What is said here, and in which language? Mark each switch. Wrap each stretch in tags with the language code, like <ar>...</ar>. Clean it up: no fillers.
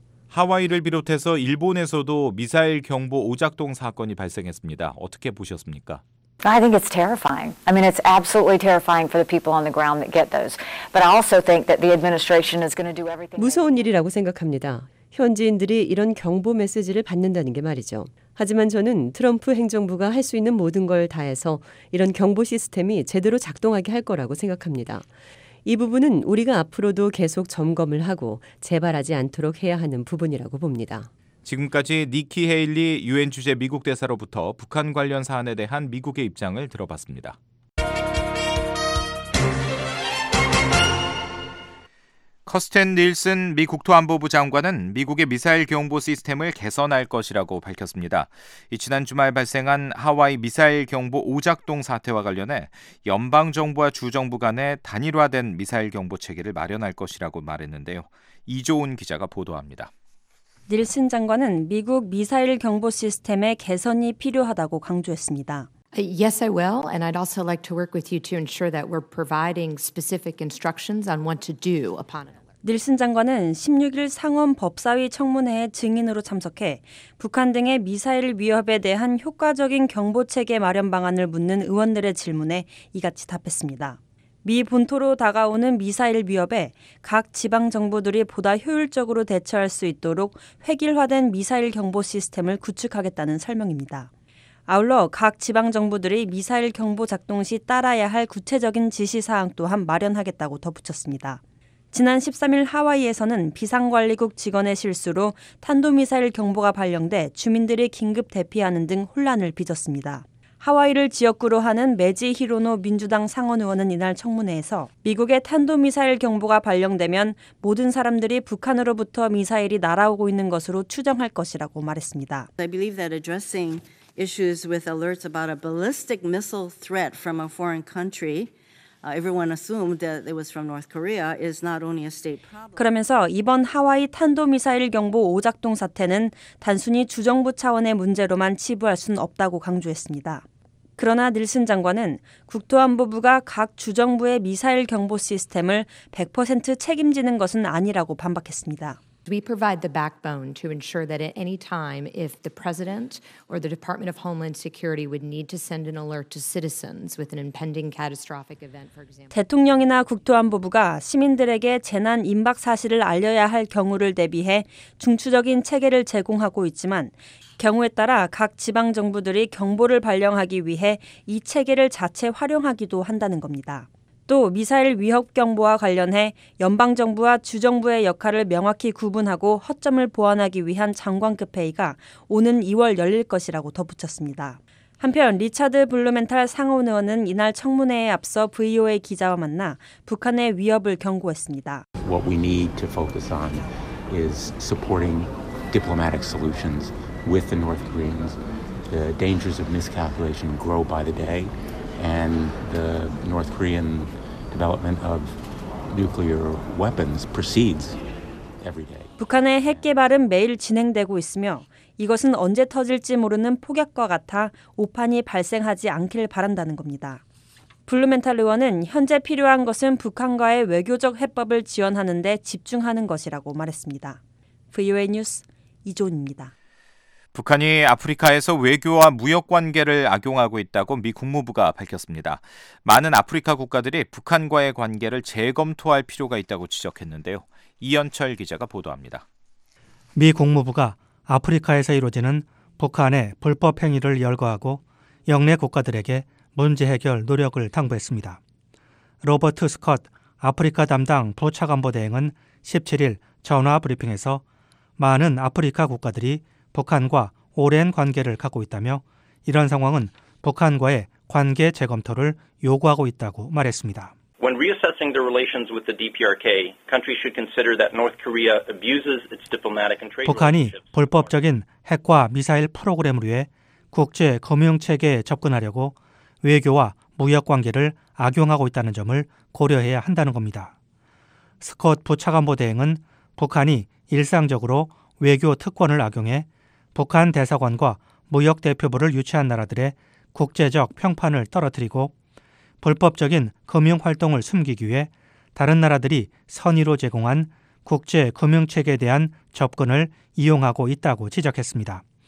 <ko>하와이를 비롯해서 일본에서도 미사일 경보 오작동 사건이 발생했습니다. 어떻게 보셨습니까?</ko> <en>I think it's terrifying. I mean, it's absolutely terrifying for the people on the ground that get those. But I also think that the administration is going to do everything.</en> <ko>무서운 일이라고 생각합니다. 현지인들이 이런 경보 메시지를 받는다는 게 말이죠. 하지만 저는 트럼프 행정부가 할 수 있는 모든 걸 다해서 이런 경보 시스템이 제대로 작동하게 할 거라고 생각합니다. 이 부분은 우리가 앞으로도 계속 점검을 하고 재발하지 않도록 해야 하는 부분이라고 봅니다. 지금까지 니키 헤일리 유엔 주재 미국 대사로부터 북한 관련 사안에 대한 미국의 입장을 들어봤습니다. 커스텐 닐슨 미 국토안보부 장관은 미국의 미사일 경보 시스템을 개선할 것이라고 밝혔습니다. 지난 주말 발생한 하와이 미사일 경보 오작동 사태와 관련해 연방정부와 주정부 간의 단일화된 미사일 경보 체계를 마련할 것이라고 말했는데요. 이조은 기자가 보도합니다. 닐슨 장관은 미국 미사일 경보 시스템의 개선이 필요하다고 강조했습니다.</ko> <en>Yes, I will, and I'd also like to work with you to ensure that we're providing specific instructions on what to do upon an alert.</en> <ko>닐슨 장관은 16일 상원 법사위 청문회에 증인으로 참석해 북한 등의 미사일 위협에 대한 효과적인 경보 체계 마련 방안을 묻는 의원들의 질문에 이같이 답했습니다. 미 본토로 다가오는 미사일 위협에 각 지방 정부들이 보다 효율적으로 대처할 수 있도록 획일화된 미사일 경보 시스템을 구축하겠다는 설명입니다. 아울러 각 지방 정부들이 미사일 경보 작동 시 따라야 할 구체적인 지시 사항 또한 마련하겠다고 덧붙였습니다. 지난 13일 하와이에서는 비상관리국 직원의 실수로 탄도미사일 경보가 발령돼 주민들이 긴급 대피하는 등 혼란을 빚었습니다. 하와이를 지역구로 하는 매지 히로노 민주당 상원 의원은 이날 청문회에서 미국의 탄도미사일 경보가 발령되면 모든 사람들이 북한으로부터 미사일이 날아오고 있는 것으로 추정할 것이라고 말했습니다.</ko> <en>I believe that addressing issues with alerts about a ballistic missile threat from a foreign country, everyone assumed that it was from North Korea, is not only a state problem.</en> <ko>그러면서 이번 하와이 탄도미사일 경보 오작동 사태는 단순히 주정부 차원의 문제로만 치부할 수는 없다고 강조했습니다. 그러나 닐슨 장관은 국토안보부가 각 주정부의 미사일 경보 시스템을 100% 책임지는 것은 아니라고 반박했습니다.</ko> <en>We provide the backbone to ensure that at any time, if the president or the Department of Homeland Security would need to send an alert to citizens with an impending catastrophic event, for example,</en> <ko>대통령이나 국토안보부가 시민들에게 재난 임박 사실을 알려야 할 경우를 대비해 중추적인 체계를 제공하고 있지만 경우에 따라 각 지방 정부들이 경보를 발령하기 위해 이 체계를 자체 활용하기도 한다는 겁니다. 또 미사일 위협 경보와 관련해 연방정부와 주정부의 역할을 명확히 구분하고 허점을 보완하기 위한 장관급 회의가 오는 2월 열릴 것이라고 덧붙였습니다. 한편 리차드 블루멘탈 상원 의원은 이날 청문회에 앞서 VOA 기자와 만나 북한의 위협을 경고했습니다.</ko> <en>What we need to focus on is supporting diplomatic solutions with the North Koreans. The dangers of miscalculation grow by the day. And the North Korean development of nuclear weapons proceeds every day.</en> <ko>북한의 핵 개발은 매일 진행되고 있으며 이것은 언제 터질지 모르는 폭약과 같아 오판이 발생하지 않길 바란다는 겁니다. 블루멘탈 의원은 현재 필요한 것은 북한과의 외교적 해법을 지원하는 데 집중하는 것이라고 말했습니다. VOA 뉴스 이존입니다. 북한이 아프리카에서 외교와 무역 관계를 악용하고 있다고 미 국무부가 밝혔습니다. 많은 아프리카 국가들이 북한과의 관계를 재검토할 필요가 있다고 지적했는데요. 이현철 기자가 보도합니다. 미 국무부가 아프리카에서 이루어지는 북한의 불법 행위를 열거하고 영내 국가들에게 문제 해결 노력을 당부했습니다. 로버트 스콧 아프리카 담당 부차관보대행은 17일 전화 브리핑에서 많은 아프리카 국가들이 북한과 오랜 관계를 갖고 있다며 이런 상황은 북한과의 관계 재검토를 요구하고 있다고 말했습니다.</ko> <en>When reassessing the relations with the DPRK, countries should consider that North Korea abuses its diplomatic and trade.</en> <ko>북한이 불법적인 핵과 미사일 프로그램을 위해 국제 금융 체계에 접근하려고 외교와 무역 관계를 악용하고 있다는 점을 고려해야 한다는 겁니다. 스콧 부차관보대행은 북한이 일상적으로 외교 특권을 악용해 북한 대사관과 무역 대표부를 유치한 나라들의 국제적 평판을 떨어뜨리고 불법적인 금융 활동을 숨기기 위해 다른 나라들이 선의로 제공한 국제 금융 체계에 대한 접근을 이용하고 있다고 지적했습니다.</ko>